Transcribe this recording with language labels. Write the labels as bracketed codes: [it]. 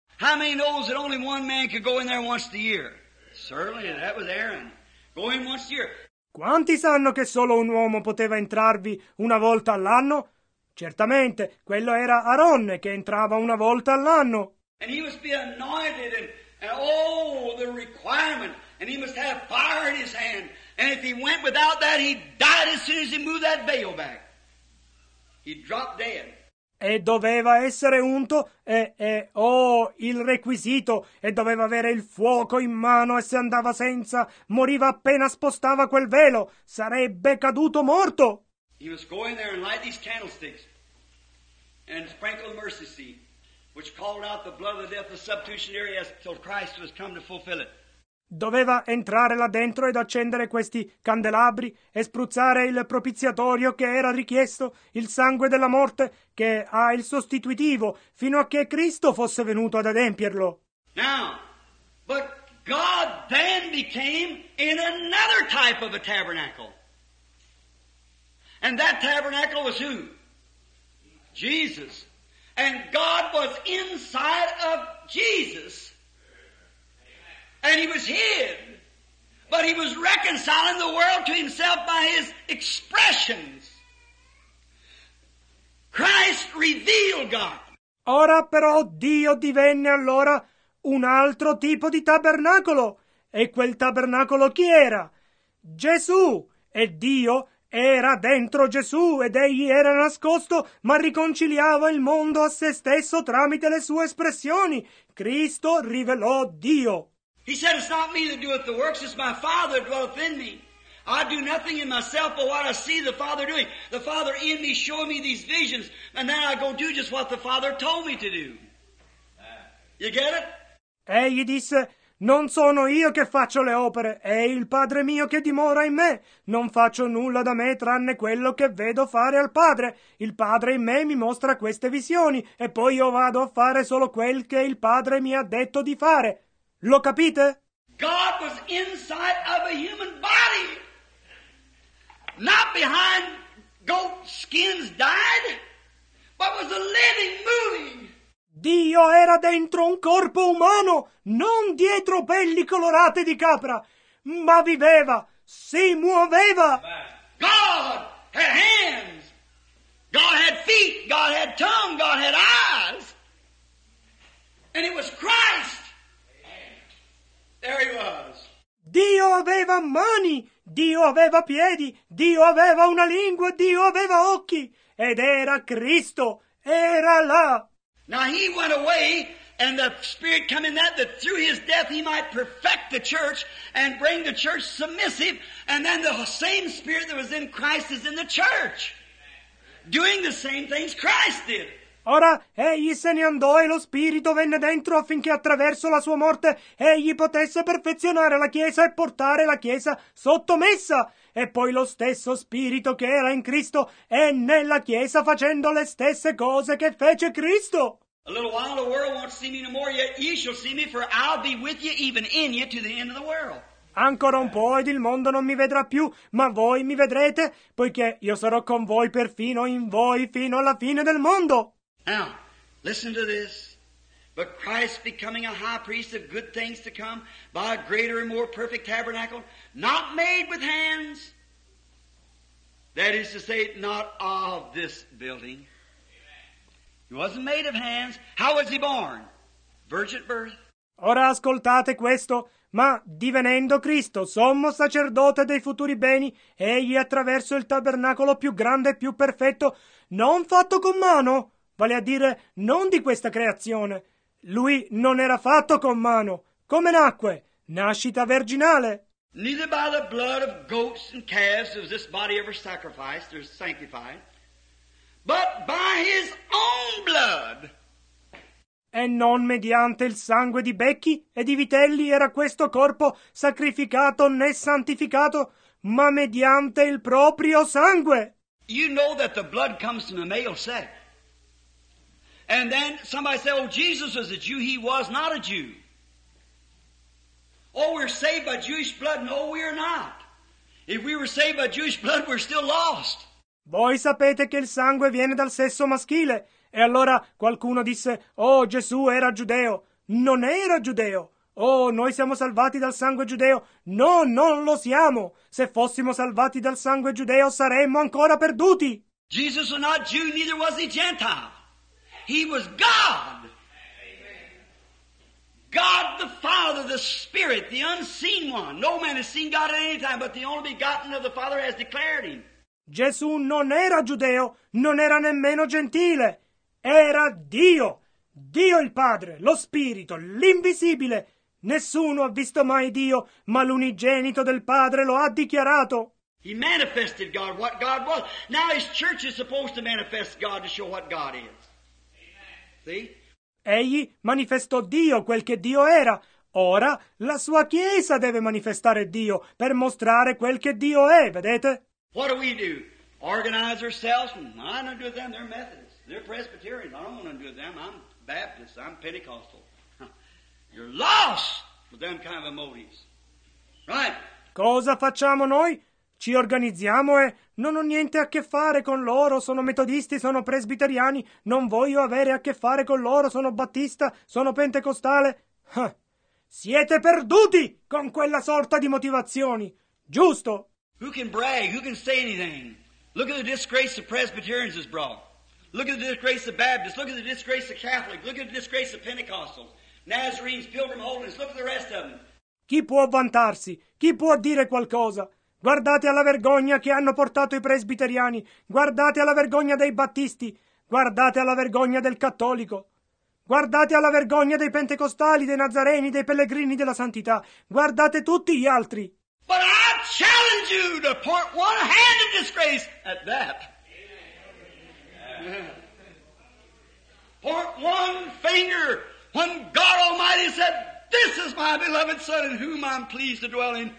[en] How many knows that only one man could go in there once a year? Certainly, that was Aaron. Go in once a year. [it] Quanti sanno che solo un uomo poteva entrarvi una volta all'anno? Certamente, quello era Aaronne che entrava una volta all'anno. [en] And he must be anointed and oh, the requirement. And he must have fire in his hand. And if he went without that, he died as soon as he moved that veil back. He dropped dead. [it] E doveva essere unto, oh, il requisito. E doveva avere il fuoco in mano e se andava senza, moriva appena spostava quel velo. Sarebbe caduto morto. [en] He must go in there and light these candlesticks and sprinkle the mercy seat, which called out the blood of the death, the substitutionary, until Christ was come to fulfill it. [it] Doveva entrare là dentro ed accendere questi candelabri e spruzzare il propiziatorio che era richiesto, il sangue della morte che ha il sostitutivo, fino a che Cristo fosse venuto ad adempierlo. [en] Now, but God then became in another type of a tabernacle. And that tabernacle was who? Jesus. And God was inside of Jesus. And he was hid, but he was reconciling the world to himself by his expressions. Christ revealed God. [it] Ora però Dio divenne allora un altro tipo di tabernacolo. E quel tabernacolo chi era? Gesù! E Dio era dentro Gesù ed egli era nascosto, ma riconciliava il mondo a se stesso tramite le sue espressioni. Cristo rivelò Dio. [en] He said, it's not me that doeth the works, it's my Father that dwelleth in me. I do nothing in myself but what I see the Father doing. The Father in me showed me these visions, and then I go do just what the Father told me to do. You get it? [it] Egli disse, non sono io che faccio le opere, è il Padre mio che dimora in me. Non faccio nulla da me tranne quello che vedo fare al Padre. Il Padre in me mi mostra queste visioni, e poi io vado a fare solo quel che il Padre mi ha detto di fare. Lo capite? [en] God was inside of a human body. Not behind goat skins dyed, but was a living, moving. [it] Dio era dentro un corpo umano, non dietro pelli colorate di capra, ma viveva, si muoveva. [en] God had hands, God had feet, God had tongue, God had eyes. And it was Christ. There he was. [it] Dio aveva mani, Dio aveva piedi, Dio aveva una lingua, Dio aveva occhi, ed era Cristo, era là. [en] Now he went away, and the Spirit came in that through his death he might perfect the church and bring the church submissive, and then the same Spirit that was in Christ is in the church, doing the same things Christ did. [it] Ora, egli se ne andò e lo Spirito venne dentro affinché attraverso la sua morte egli potesse perfezionare la Chiesa e portare la Chiesa sottomessa. E poi lo stesso Spirito che era in Cristo è nella Chiesa facendo le stesse cose che fece Cristo. [en] A little while the world won't see me no more, yet ye shall see me, for I'll be with you, even in you, to the end of the world. [it] Ancora un po' ed il mondo non mi vedrà più, ma voi mi vedrete, poiché io sarò con voi perfino in voi fino alla fine del mondo. [en] Now, listen to this. But Christ becoming a high priest of good things to come by a greater and more perfect tabernacle, not made with hands. That is to say, not of this building. He wasn't made of hands. How was he born? Virgin birth. [it] Ora ascoltate questo. Ma divenendo Cristo, sommo sacerdote dei futuri beni, egli attraverso il tabernacolo più grande e più perfetto, non fatto con mano, vale a dire non di questa creazione. Lui non era fatto con mano. Come nacque? Nascita virginale. [en] Neither by the blood of goats and calves was this body ever sacrificed or sanctified, but by his own blood. [it] E non mediante il sangue di becchi e di vitelli era questo corpo sacrificato né santificato, ma mediante il proprio sangue. [en] You know that the blood comes from the male sex. And then somebody said, oh, Jesus was a Jew. He was not a Jew. Oh, we're saved by Jewish blood. No, we are not. If we were saved by Jewish blood, we're still lost. [it] Voi sapete che il sangue viene dal sesso maschile. E allora qualcuno disse, oh, Gesù era giudeo. Non era giudeo. Oh, noi siamo salvati dal sangue giudeo. No, non lo siamo. Se fossimo salvati dal sangue giudeo, saremmo ancora perduti. [en] Jesus was not Jew, neither was he Gentile. He was God. God the Father, the Spirit, the unseen one. No man has seen God at any time, but the only begotten of the Father has declared him. [it] Gesù non era giudeo, non era nemmeno gentile. Era Dio. Dio il Padre, lo Spirito, l'invisibile. Nessuno ha visto mai Dio, ma l'unigenito del Padre lo ha dichiarato. [en] He manifested God, what God was. Now his church is supposed to manifest God to show what God is. [it] Egli manifestò Dio, quel che Dio era. Ora la sua Chiesa deve manifestare Dio per mostrare quel che Dio è, vedete? [en] What do we do? Organize ourselves? I don't want to do with them, they're Methodists, they're Presbyterians. I don't want to do with them, I'm Baptist, I'm Pentecostal. You're lost with them kind of emotions. Right? [it] Cosa facciamo noi? Ci organizziamo e non ho niente a che fare con loro, sono metodisti, sono presbiteriani, non voglio avere a che fare con loro, sono battista, sono pentecostale. Siete perduti con quella sorta di motivazioni, giusto? [en] Who can brag? Who can say anything? Look at the disgrace the Presbyterians has brought. Look at the disgrace the Baptists. Look at the disgrace the Catholic. Look at the disgrace the Pentecostals. Nazarenes, Pilgrim Holiness, look at the rest of them. [it] Chi può vantarsi? Chi può dire qualcosa? Guardate alla vergogna che hanno portato i presbiteriani. Guardate alla vergogna dei battisti. Guardate alla vergogna del cattolico. Guardate alla vergogna dei pentecostali, dei nazareni, dei pellegrini della santità. Guardate tutti gli altri. [en] But I challenge you to point one hand of disgrace at that. Point one finger when God Almighty said, this is my beloved Son in whom I'm pleased to dwell in.